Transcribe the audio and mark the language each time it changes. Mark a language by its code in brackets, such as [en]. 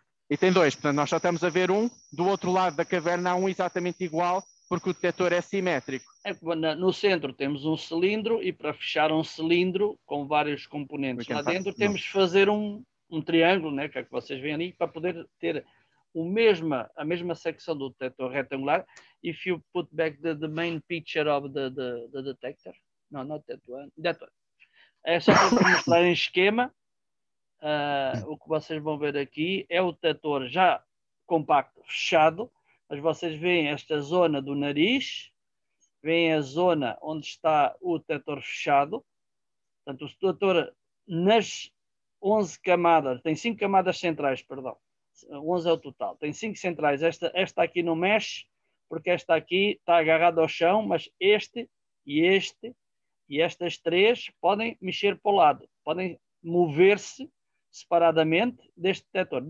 [pt] E tem dois, portanto nós só estamos a ver um, do outro lado da caverna há um exatamente igual, porque o detector é simétrico. É, no centro temos um cilindro, e para fechar um cilindro com vários componentes lá dentro, temos de fazer um triângulo, né, que é que vocês veem ali, para poder ter a mesma secção do detector retangular. [en] If you put back the main picture of the detector, no, not that one, that one. [pt] É só para mostrar em esquema, o que vocês vão ver aqui é o detector já compacto, fechado, mas vocês veem esta zona do nariz, veem a zona onde está o detector fechado. Portanto, o detector nas 11 camadas, tem 5 camadas centrais, perdão, 11 é o total, tem 5 centrais, esta aqui não mexe, porque esta aqui está agarrada ao chão, mas este e este, e estas três podem mexer para o lado, podem mover-se separadamente deste detector.